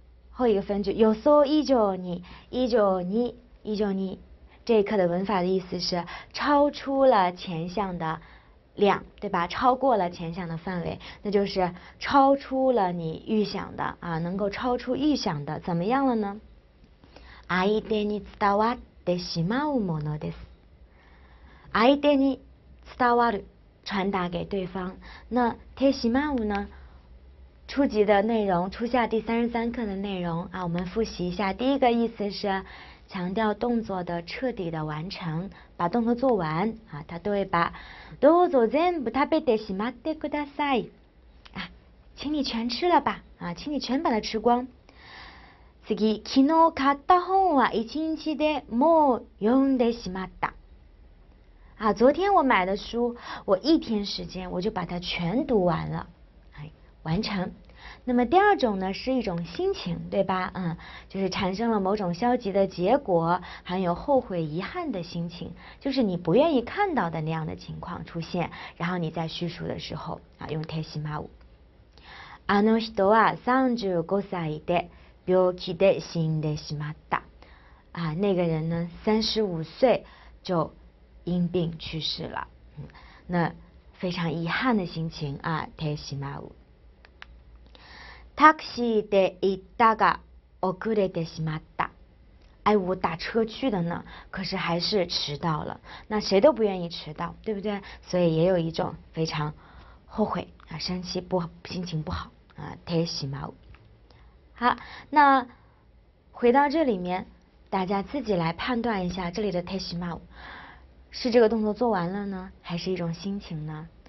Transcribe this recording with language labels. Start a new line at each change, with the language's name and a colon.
Chinese: 后一个分句，
Japanese: 予想以上に，以上に，以上に，
Chinese: 这一课的文法的意思是超出了前项的量，对吧？超过了前项的范围，那就是超出了你预想的啊，能够超出预想的，怎么样了呢？
Japanese: 相手に伝わってしまうものです。相手に伝わる，
Chinese: 传达给对方。那てしまう呢？初级的内容，初夏第33课的内容啊，我们复习一下。第一个意思是强调动作的彻底的完成，把动作做完啊，它对吧？
Japanese: どうぞ全部食べてしまってください。
Chinese: 啊，请你全吃了吧，啊，请你全把它吃光。
Japanese: 次、昨日買った本は一日でもう読んでしまった。
Chinese: 啊，昨天我买的书，我一天时间我就把它全读完了，哎，完成。那么第二种呢，是一种心情，对吧？嗯，就是产生了某种消极的结果，含有后悔、遗憾的心情，就是你不愿意看到的那样的情况出现，然后你在叙述的时候啊，用てしまう。
Japanese: あの人は35歳で病気で死んでしまった。
Chinese: 啊，那个人呢，35岁就因病去世了，那非常遗憾的心情啊，てしまう。
Japanese: タクシーで行ったが遅れてしまった。
Chinese: 哎，我打车去的呢，可是还是迟到了。那谁都不愿意迟到，对不对？所以也有一种非常后悔啊，生气不好，心情不好啊，てしまう。好，那回到这里面，大家自己来判断一下，这里的てしまう是这个动作做完了呢，还是一种心情呢？